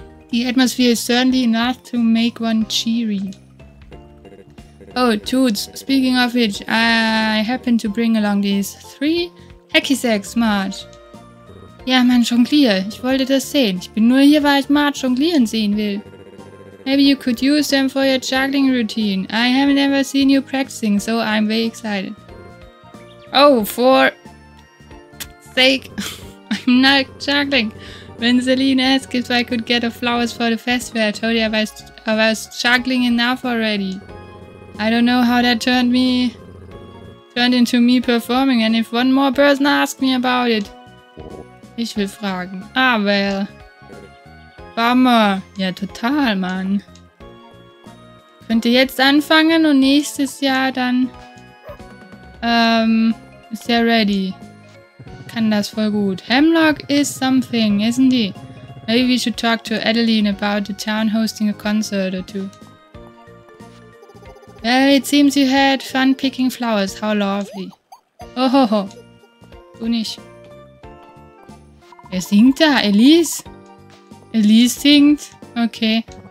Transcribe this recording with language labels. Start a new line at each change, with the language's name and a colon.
English: The atmosphere is certainly enough to make one cheery. Oh, Toots, speaking of which, I happen to bring along these three hacky sacks, Marge.
German: Ja, mein Jonglier. Ich wollte das sehen. Ich bin nur hier, weil ich Mart jonglieren sehen will.
English: Maybe you could use them for your juggling routine. I have never seen you practicing, so I'm very excited. Oh, for sake, I'm not juggling. When Celine asked if I could get the flowers for the festival, I told her I was juggling enough already. I don't know how that turned into me performing, and if one more person asked me about it.
German: Ich will fragen.
English: Ah, well. Bummer.
German: Ja, total, Mann. Könnt ihr jetzt anfangen und nächstes Jahr dann ist er ready. Kann das voll gut.
English: Hemlock is something, isn't he? Maybe we should talk to Adeline about the town hosting a concert or two. Well, it seems you had fun picking flowers. How lovely.
German: Oh, ho, ho. Du nicht. Wer singt da? Elise? Elise singt? Okay.